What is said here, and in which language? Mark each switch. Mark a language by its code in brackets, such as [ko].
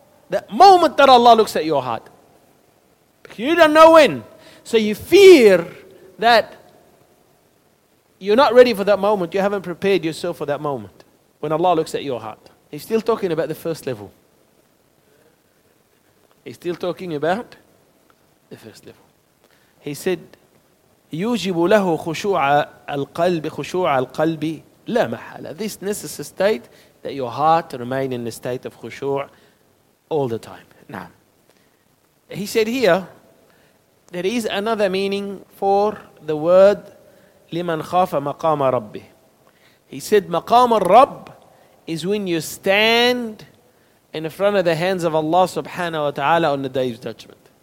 [en] The moment that Allah looks at your heart. You don't know when. So you fear that you're not ready for that moment. You haven't prepared yourself for that moment. When Allah looks at your heart. He's still talking about the first level. He's still talking about the first level. He said, [ar] يوجب له خشوع القلب خشوع القلب لا محالة. [en] This necessary state that your heart remain in the state of خشوع all the time. Now, he said here, there is another meaning for the word [ar] لمن خاف مقام ربه. [en] He said [ar] مقام الرب [en] is when you stand in front of the hands of Allah subhanahu wa ta'ala on the day of judgment.